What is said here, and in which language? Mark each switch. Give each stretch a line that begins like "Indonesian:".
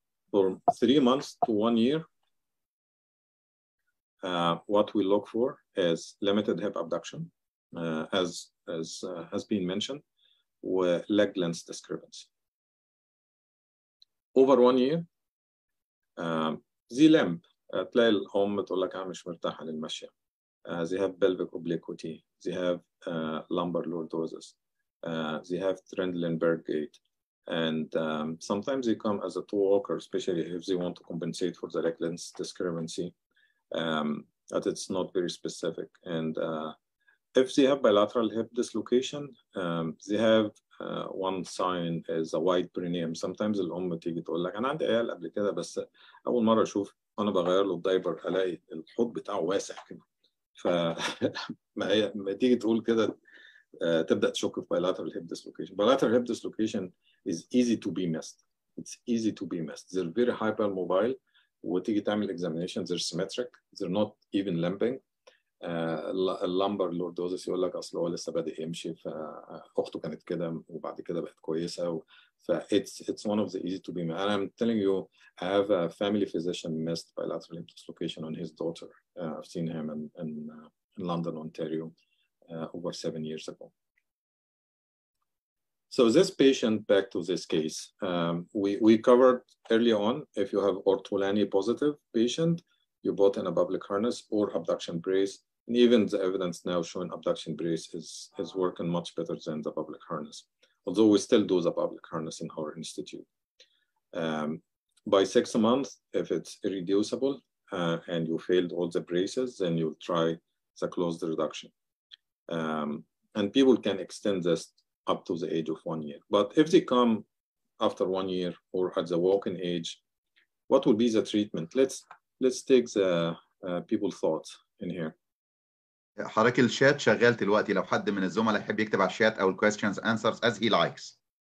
English: For 3 months to 1 year, what we look for is limited hip abduction. As has been mentioned, with leg length discrepancy. Over 1 year, the limp,
Arabic: تلاقي الأم تقول لك أنا مش مرتاحة للمشي.
English: They have pelvic obliquity. They have lumbar lordosis. They have Trendelenburg gait. And sometimes they come as a toe walker, especially if they want to compensate for the leg length discrepancy, that it's not very specific. And if they have bilateral hip dislocation, they have one sign is a wide perineum. Sometimes the mom
Arabic: تيجي تقول لك أنا عندي عيال قبل كده بس أول مرة أشوف أنا بغير له الدايبر ألاقي الحوض بتاعه واسع كده. فما تيجي تقول كده تبدأ تشك في bilateral hip dislocation.
English: Bilateral hip dislocation is easy to be missed. It's easy to be missed. They're very hypermobile.
Arabic: وتيجي تعمل
English: examination, they're symmetric. They're not even limping.
Arabic: اللامبر لوردوزس يقول لك اصل هو لسه بادئ يمشي فاخته كانت كده وبعد كده بقت كويسه
English: it's one of the easy to be me. And I'm telling you, I have a family physician missed bilateral hip dislocation on his daughter. I've seen him in London, Ontario, over 7 years ago. So this patient, back to this case, we covered early on, if you have Ortolani positive patient, you bought in a pelvic harness or abduction brace. And even the evidence now showing abduction brace is working much better than the pelvic harness. Although we still do the pelvic harness in our institute. By 6 months, if it's irreducible and you failed all the braces, then you try the closed reduction. And people can extend this up to the age of 1 year. But if they come after 1 year or at the walking age, what would be the treatment? Let's take the people's thoughts. in here.
Arabic: حضرتك الشات شغال دلوقتي لو حد من الزملاء يحب يكتب على الشات او
English: questions answers as he likes.